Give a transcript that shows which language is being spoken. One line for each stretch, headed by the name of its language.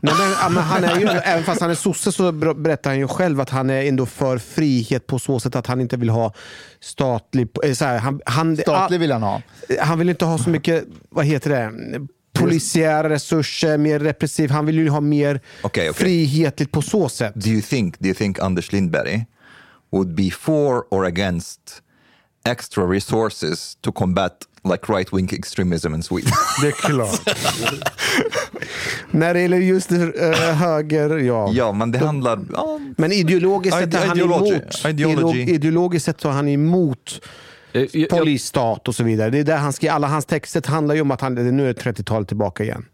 Swedish: Nej, men han är ju, även fast han är sosse så berättar han ju själv att han är ändå för frihet på så sätt att han inte vill ha statlig... Så här, statlig vill han ha. Han vill inte ha så mycket, vad heter det... polisiära resurser, mer repressiv. Han vill ju ha mer frihetligt på så sätt.
English: Do you think Anders Lindberg would be for or against extra resources to combat like right-wing extremism in Sweden?
Swedish: Det är klart. När det gäller just höger, ja. Ja, men det handlar... Men ideologiskt sett är han emot. Ideologiskt sett så är han emot... polisstat och så vidare. Det är där han skriver. Alla hans texter handlar ju om att han nu är 30-talet tillbaka igen.